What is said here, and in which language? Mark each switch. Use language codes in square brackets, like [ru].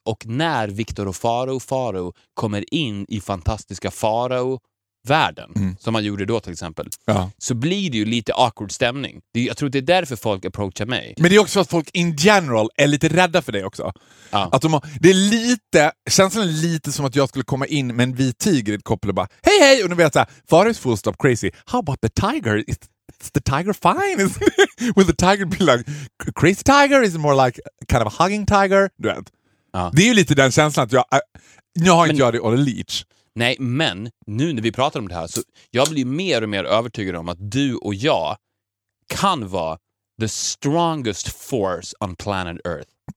[sv] Och när Victor och Faro och Faro kommer in i fantastiska Faro-världen, som man gjorde då till exempel, så blir det ju lite awkward stämning. Jag tror det är därför folk approachar mig. Men det är också att folk [en] in general [sv] är lite rädda för dig också. Ja. Att det är lite, känns det lite som att jag skulle komma in med en vit tiger i ett koppel och bara, hej hej, och nu vet jag, [en] far is full stop crazy. How about the tiger? Is the tiger fine? Will the tiger be like, crazy tiger? Is it more like kind of a hugging tiger? [sv] Du vet. Ja. Det är ju lite den känslan att jag, nu har inte jag det [en] all a leech. [sv] Nej, men nu när vi pratar om det här, så jag blir mer och mer övertygad om att du och jag kan vara [en] the strongest force on planet Earth.